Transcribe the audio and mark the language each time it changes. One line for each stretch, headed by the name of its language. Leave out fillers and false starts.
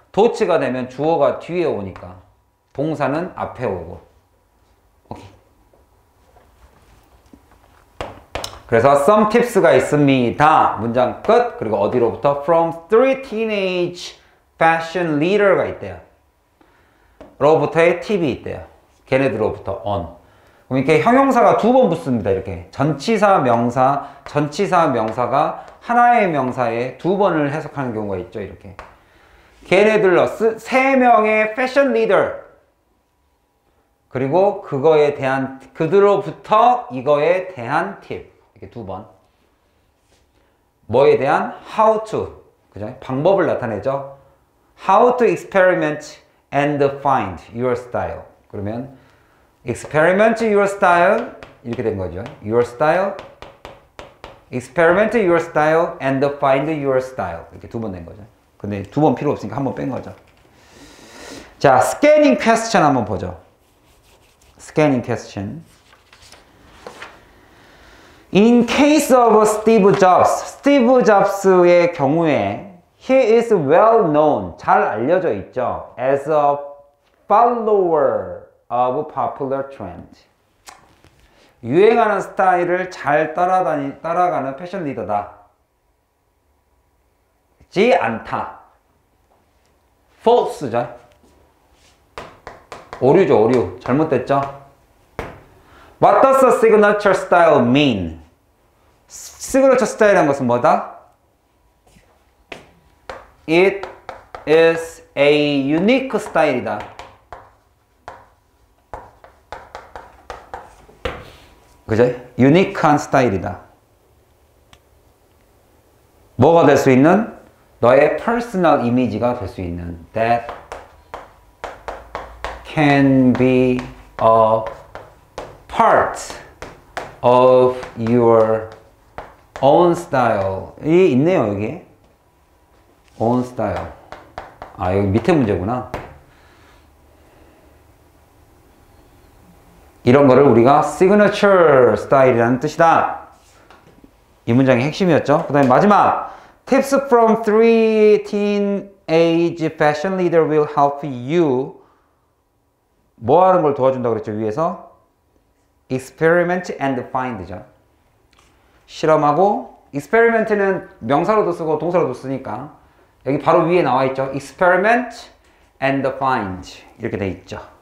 Korean: 도치가 되면 주어가 뒤에 오니까 동사는 앞에 오고. 오케이. 그래서
English: some tips
Korean: 가 있습니다. 문장 끝. 그리고 어디로부터?
English: from three teenage fashion leader가
Korean: 있대요. 로부터의 팁이 있대요. 걔네들로부터 on. 그럼 이렇게 형용사가 두 번 붙습니다. 이렇게. 전치사 명사가 하나의 명사에 두 번을 해석하는 경우가 있죠. 이렇게. 걔네들로 세 명의 fashion leader. 그리고 그거에 대한, 그들로부터 이거에 대한 팁. 이렇게 두 번. 뭐에 대한?
English: How to.
Korean: 그죠? 방법을 나타내죠.
English: How to experiment and find your style.
Korean: 그러면
English: experiment your style
Korean: 이렇게 된 거죠.
English: Your style, experiment your style and find your style.
Korean: 이렇게 두 번 된 거죠. 근데 두 번 필요 없으니까 한 번 뺀 거죠. 자, scanning question 한번 보죠. Scanning question.
English: In case of Steve Jobs, Steve Jobs의
Korean: 경우에
English: he is well known,
Korean: 잘 알려져 있죠.
English: As a follower of popular trend.
Korean: 유행하는 스타일을 잘 따라가는 패션 리더다. 지 않다. False죠. 오류죠, 오류. 잘못됐죠?
English: What does a signature style mean?
Korean: 시그니처 스타일이란 것은 뭐다?
English: It is a unique style이다.
Korean: 그제? 유니크한 스타일이다. 뭐가 될 수 있는? 너의 personal 이미지가 될 수 있는.
English: That can be a part of your own style이
Korean: 있네요, 여기. own style. 아, 여기 밑에 문제구나. 이런 거를 우리가 signature style이라는 뜻이다. 이 문장의 핵심이었죠. 그 다음에 마지막.
English: Tips from three teenage fashion leader will help you.
Korean: 뭐 하는 걸 도와준다고 그랬죠, 위에서?
English: Experiment and find죠.
Korean: 실험하고, experiment는 명사로도 쓰고 동사로도 쓰니까 여기 바로 위에 나와 있죠.
English: experiment and find
Korean: 이렇게 돼 있죠.